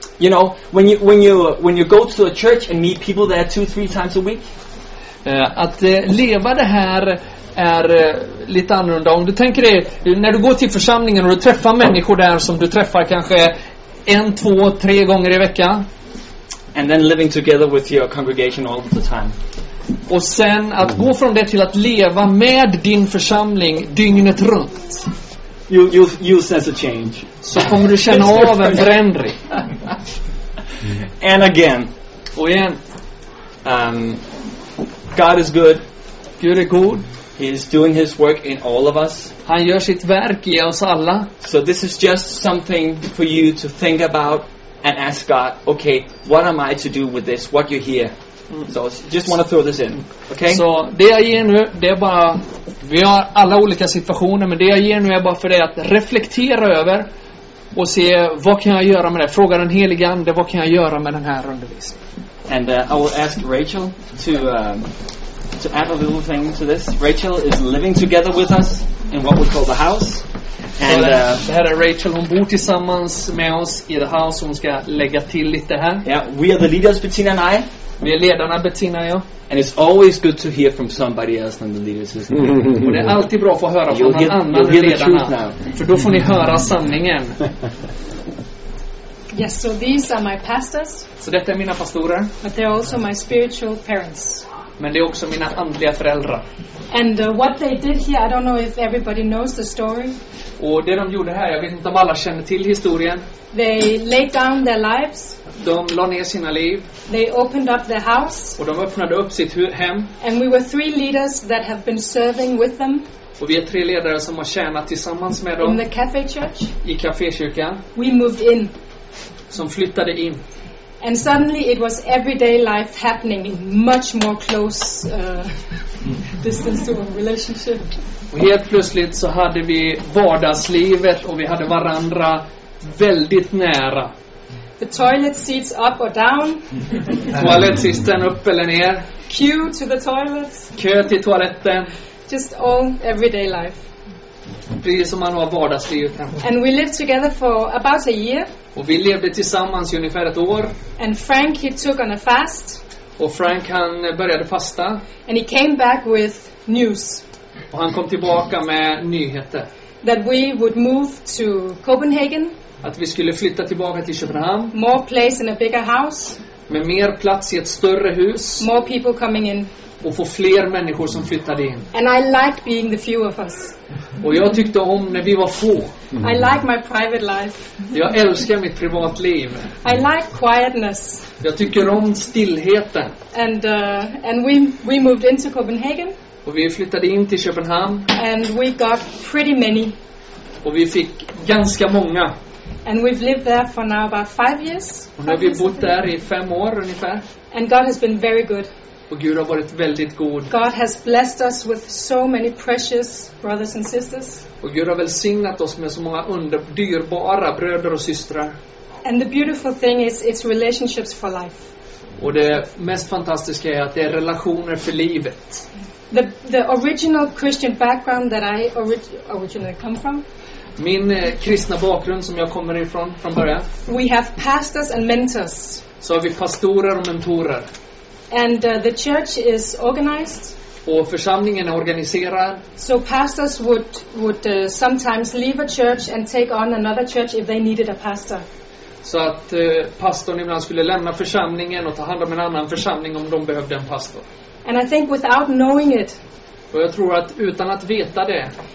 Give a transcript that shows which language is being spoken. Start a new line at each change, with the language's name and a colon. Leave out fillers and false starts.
English: You know, when you go to a church and meet people there 2-3 times a week.
Swedish: Att leva det här är lite annorlunda. Om du tänker dig, när du går till församlingen och du träffar människor där som du träffar kanske 1-3 gånger i veckan.
English: And then living together with your congregation all the time.
Swedish: Och sen att gå från det till att leva med din församling dygnet runt.
English: You sense a change.
Swedish: Så kommer du känna av en förändring.
English: And again.
Swedish: Och igen.
English: God is good.
Swedish: Gud är god.
English: He is doing his work in all of us.
Swedish: Han gör sitt verk i oss alla.
English: So this is just something for you to think about and ask God, okay, what am I to do with this? What you hear? So just want to throw this in. Okay?
Swedish: Så det jag ger nu, det är bara, vi har alla olika situationer, men det jag ger nu är bara för dig att reflektera över och se, vad kan jag göra med det? Fråga den helige ande, vad kan jag göra med den här undervisningen?
English: And I will ask Rachel to add a little thing to this. Rachel is living together with us in what we call the house.
Swedish: And det här är Rachel, hon bor tillsammans med oss i det här, som ska lägga till lite här.
English: Yeah, we are the leaders, Bettina and I.
Swedish: Vi är ledarna, Bettina och jag.
English: And it's always good to hear from somebody else than the leaders, isn't it?
Swedish: Och det är alltid bra att få höra från någon annan än ledarna. För då får ni höra sanningen.
English: Yes, so these are my pastors.
Swedish: Så detta är mina pastorer.
English: But they are also my spiritual parents.
Swedish: Men det är också mina andliga föräldrar.
English: And what they did here, I don't know if everybody knows the story.
Swedish: Och det de gjorde här, jag vet inte om alla känner till historien.
English: They laid down their lives.
Swedish: De la ner sina liv.
English: They opened up their house.
Swedish: Och de öppnade upp sitt hem.
English: And we were three leaders that have been serving with them.
Swedish: Och vi är tre ledare som har tjänat tillsammans med dem.
English: In the cafe church.
Swedish: I kafékyrkan.
English: We moved in.
Swedish: Som flyttade in.
English: And suddenly it was everyday life happening in much more close distance to a relationship.
Swedish: Och helt plötsligt så hade vi vardagslivet och vi hade varandra väldigt nära.
English: The toilet seats up or down.
Swedish: Toalettsisten upp eller ner.
English: Queue to the toilets.
Swedish: Kö till toaletten.
English: Just all everyday life.
Swedish: Precis som man har vardagslivet hemma.
English: And we lived together for about a year.
Swedish: Och vi levde tillsammans i ungefär ett år.
English: And Frank, he took on a fast.
Swedish: Och Frank, han började fasta.
English: And he came back with news.
Swedish: Och han kom tillbaka med nyheter.
English: That we would move to Copenhagen.
Swedish: Att vi skulle flytta tillbaka till Köpenhamn.
English: More place in a bigger house.
Swedish: Med mer plats i ett större hus.
English: More people coming in.
Swedish: Och få fler människor som flyttade in.
English: And I liked being the few of us.
Swedish: Och jag tyckte om när vi var få.
English: I like my private life.
Swedish: Jag älskar mitt privatliv.
English: I like quietness.
Swedish: Jag tycker om stillheten.
English: And we moved into Copenhagen.
Swedish: Och vi flyttade in till Köpenhamn.
English: And we got pretty many.
Swedish: Och vi fick ganska många.
English: And we've lived there for now about 5 years.
Swedish: Och nu har vi bott där i 5 år ungefär.
English: And God has been very good.
Swedish: Och Gud har varit väldigt god.
English: God has blessed us with so many precious brothers and sisters.
Swedish: Och Gud har välsignat oss med så många dyrbara bröder och systrar.
English: And the beautiful thing is it's relationships for life.
Swedish: Och det mest fantastiska är att det är relationer för livet.
English: The original Christian background that I originally come from.
Swedish: Min kristna bakgrund som jag kommer ifrån från början.
English: We have pastors and mentors.
Swedish: Så har vi pastorer och mentorer.
English: And the church is organized.
Swedish: Och församlingen är organiserad.
English: So pastors would sometimes leave a church and take on another church if they needed a pastor.
Swedish: Så att pastorn ibland skulle lämna församlingen och ta hand om en annan församling om de behövde en pastor.
English: And I think without knowing it.
Swedish: Och jag tror att utan att veta det.